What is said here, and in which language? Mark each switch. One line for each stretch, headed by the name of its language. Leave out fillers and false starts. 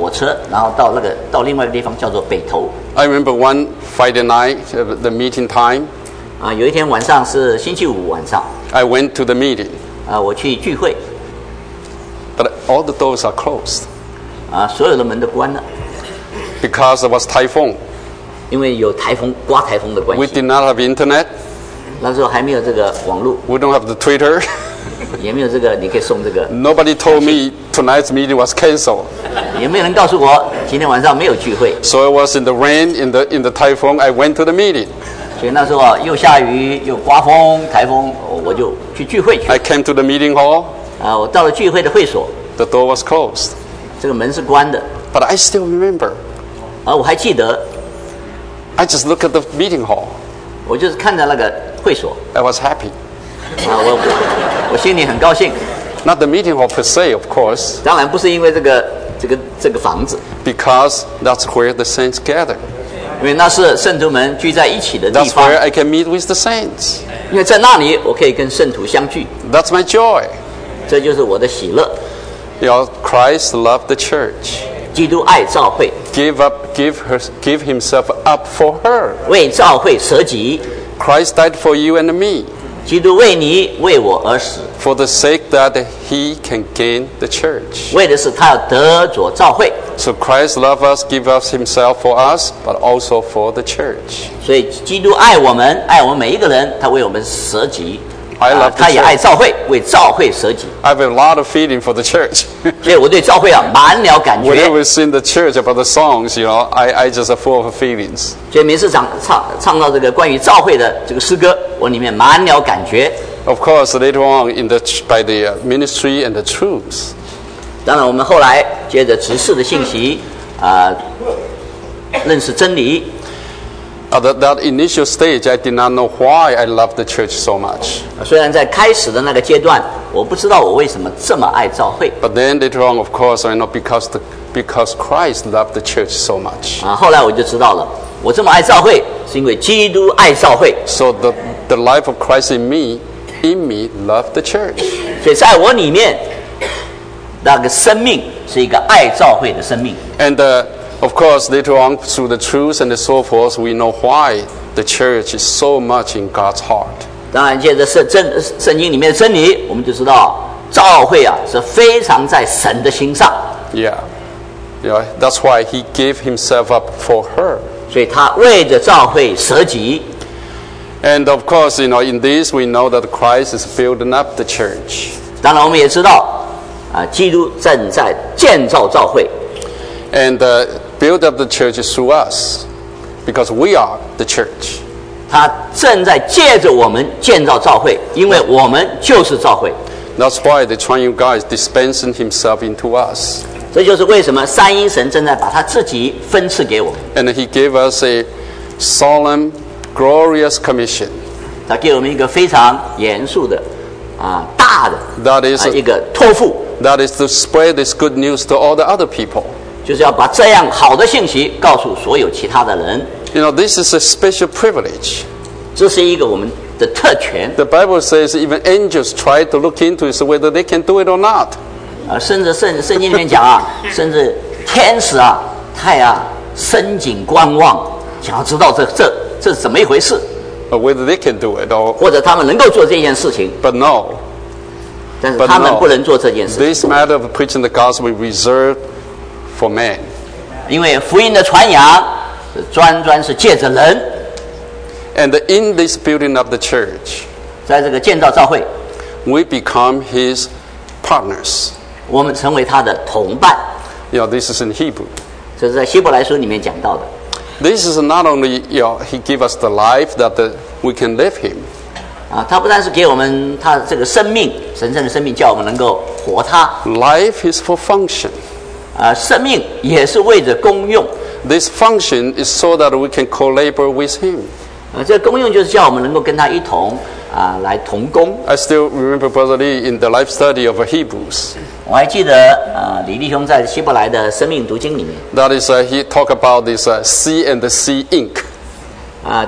Chinese: 他住在一个地方，那个地方是你需要坐火车，然后到另外一个地方叫做北投。
English: I remember one Friday night, the meeting time.
Chinese: 有一天晚上是星期五晚上。
English: I went to the meeting.
Chinese: 我去聚会。
English: But all the doors are closed.
Chinese: 所有的门都关了。
English: Because it was typhoon.
Chinese: 因为有台风，刮台风的关系。
English: We did not have internet.
Chinese: 那时候还没有这个网络。
English: We don't have the Twitter.
Chinese: 也没有这个，你可以送这个。
English: Nobody told me tonight's meeting was canceled.
Chinese: 也没有人告诉我今天晚上没有聚会。
English: So it was in the rain, in the typhoon. I went to the meeting.
Chinese: 所以那时候又下雨又刮风台风，我就去聚会去。
English: I came to the meeting hall.
Chinese: 我到了聚会的会所。
English: The door was closed.
Chinese: 这个门是关的。
English: But I still remember.
Chinese: 我还记得。
English: I just looked at the meeting hall.
Chinese: 我就是看着那个会所。
English: I was happy.
Chinese: 我心里很高兴。
English: Not the meeting hall per se, of course.
Chinese: 当然不是因为这个房子。
English: Because that's where the saints gather.
Chinese: 因为那是圣徒们聚在一起的地方。
English: That's where I can meet with the saints.
Chinese: 因为在那里我可以跟圣徒相聚。
English: That's my joy.
Chinese: 这就是我的喜乐。
English: You know, Christ loved the church.
Chinese: 基督爱教会。
English: Give himself up for her.
Chinese: 为教会舍己。
English: Christ died for you and me.
Chinese: 基督为你为我而死。
English: For the sake that he can gain the church.
Chinese: 为的是他要得着教会。
English: So Christ loved us, give us himself for us, but also for the church.
Chinese: 所以基督爱我们，爱我们每一个人，他为我们舍己。
English: I love the church.
Chinese: 他也爱教会，为教会舍己。
English: I have a lot of feeling for the church.
Chinese: 所以我对教会满了感觉。
English: Whenever we sing the church about the songs, you know, I just are full of feelings.
Chinese: 所以每次唱到这个关于教会的这个诗歌，我里面满了感觉。
English: Of course, later on in the by the ministry and the truths.
Chinese: 当然，我们后来接着执事的信息，认识真理。
English: That initial stage, I did not know why I loved the church so much.
Chinese: 虽然在开始的那个阶段，我不知道我为什么这么爱教会。
English: But then later on, of course, I know because Christ loved the church so much.
Chinese: 后来我就知道了，我这么爱教会是因为基督爱教会。
English: So the life of Christ in me loved the church.
Chinese: 所以在我里面，那个生命是一个爱教会的生命。
English: And of course, later on, through the truths and so forth, we know why the church is so much in God's heart.
Chinese: 当然，借着圣经里面的真理，我们就知道教会是非常在神的心上。
English: Yeah, that's why he gave himself up for her.
Chinese: 所以他为着教会舍己。
English: And of course, you know, in this, we know that Christ is building up the church.
Chinese: 当然，我们也知道，基督正在建造教会。
English: And build up the church through us, because we are the church.
Chinese: 他正在借着我们建造教会，因为我们就是教会。
English: That's why the Triune God is dispensing Himself into us.
Chinese: 这就是为什么三一神正在把他自己分赐给我们。
English: And He gave us a solemn, glorious commission.
Chinese: 他给我们一个非常严肃的、大的
English: that is
Chinese: 一个托付。
English: That is to spread this good news to all the other people.
Chinese: 就是要把这样好的信息告诉所有其他的人。
English: You know, this is a special privilege.
Chinese: 这是一个我们的特权。
English: The Bible says even angels try to look into it, whether they can do it or not.
Chinese: 甚至圣经里面讲甚至天使他深井观望，想要知道这是怎么一回事。
English: Whether they can do it or
Chinese: 或者他们能够做这件事情。
English: But no.
Chinese: 但是他们不能做这件事情。
English: This matter of preaching the gospel reserved. For man.
Chinese: 因为福音的传扬是专专是借着人。
English: And in this building of the church,
Chinese: 在这个建造教会,
English: we become his partners.
Chinese: 我们成为他的同伴。
English: You know, this is in Hebrew.
Chinese: 这是在希伯来书里面讲到的。
English: This is not only, you know, he gave us the life that we can live him.
Chinese: 他不但是给我们他这个生命，神圣的生命，叫我们能够活他。
English: Life is for function.
Chinese: 生命也是为着功用。
English: This function is so that we can collaborate with him.
Chinese: 这功用就是叫我们能够跟他一同来同工。
English: I still remember Brother Lee in the life study of Hebrews.
Chinese: 我还记得李弟兄在希伯来的生命读经里面。
English: That is he talk about this C and C Inc.